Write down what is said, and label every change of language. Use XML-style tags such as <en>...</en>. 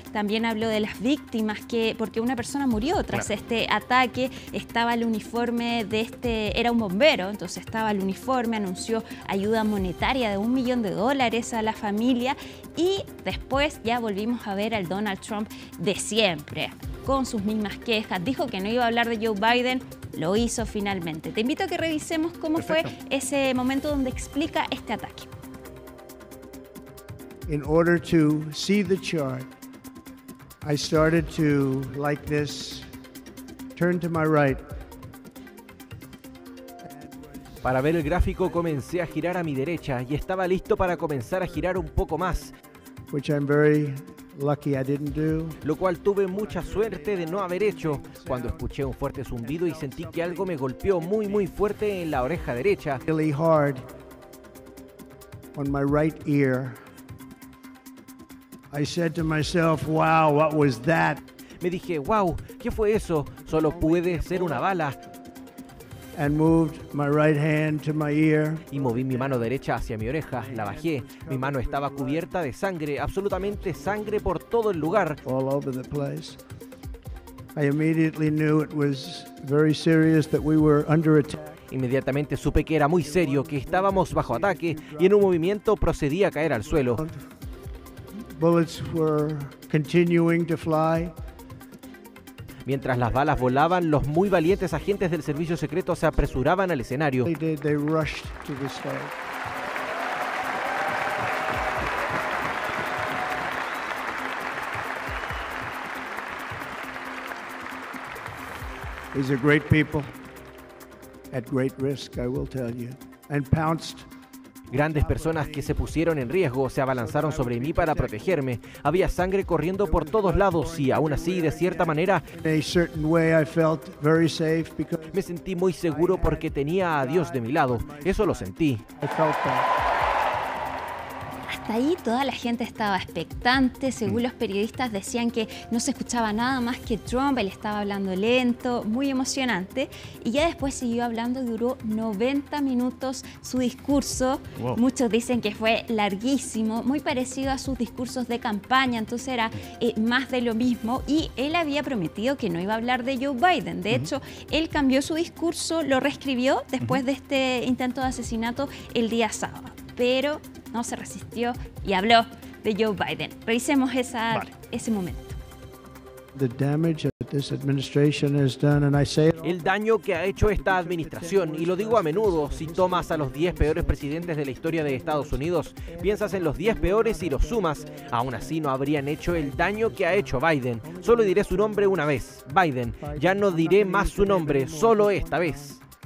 <es>También habló de las víctimas, que porque una persona murió tras este ataque, estaba el uniforme de este, era un bombero, entonces estaba el uniforme, anunció ayuda monetaria de $1,000,000 a la familia. Y después ya volvimos a ver al Donald Trump de siempre, con sus mismas quejas. Dijo que no iba a hablar de Joe Biden, lo hizo finalmente. Te invito a que revisemos cómo fue ese momento donde explica este ataque.</es> <en>In order to see the chart, I started to, like this, turn to my right.</en> <es>Para ver el gráfico, comencé a girar a mi derecha y estaba listo para comenzar a girar un poco más.</es> <en>Which I'm very lucky I didn't do.</en> <es>Lo cual tuve mucha suerte de no haber hecho, cuando escuché un fuerte zumbido y sentí que algo me golpeó muy, muy fuerte en la oreja derecha.</es> <en>Really hard on my right ear. I said to myself, wow, what was that?</en> <es>Me dije, wow, ¿qué fue eso? Solo puede ser una bala.</es> <en>And moved my right hand to my ear.</en> <es>Y moví mi mano derecha hacia mi oreja, la bajé. Mi mano estaba cubierta de sangre, absolutamente sangre por todo el lugar.</es> <en>All over the place. I immediately knew it was very serious that we were under attack.</en> <es>Inmediatamente supe que era muy serio, que estábamos bajo ataque, y en un movimiento procedí a caer al suelo.</es> <en>Bullets were continuing to fly.</en> <es>Mientras las balas volaban, los muy valientes agentes del servicio secreto se apresuraban al escenario.</es> <en>They rushed to the stage. These are great people, at great risk, I will tell you, and pounced.</en> <es>Grandes personas que se pusieron en riesgo, se abalanzaron sobre mí para protegerme. Había sangre corriendo por todos lados y aún así, de cierta manera, me sentí muy seguro porque tenía a Dios de mi lado. Eso lo sentí. Hasta ahí toda la gente estaba expectante. Según los periodistas, decían que no se escuchaba nada más que Trump. Él estaba hablando lento, muy emocionante. Y ya después siguió hablando, duró 90 minutos su discurso. Wow. Muchos dicen que fue larguísimo, muy parecido a sus discursos de campaña. Entonces era más de lo mismo. Y él había prometido que no iba a hablar de Joe Biden. De hecho, él cambió su discurso, lo reescribió después de este intento de asesinato el día sábado. Pero no se resistió y habló de Joe Biden. Revisemos ese momento.</es> <en>The damage that this administration has done, and I say it.</en> <es>El daño que ha hecho esta administración, y lo digo a menudo, si tomas a los 10 peores presidentes de la historia de Estados Unidos, piensas en los 10 peores y los sumas, aún así no habrían hecho el daño que ha hecho Biden. Solo diré su nombre una vez, Biden. Ya no diré más su nombre, solo esta vez.</es>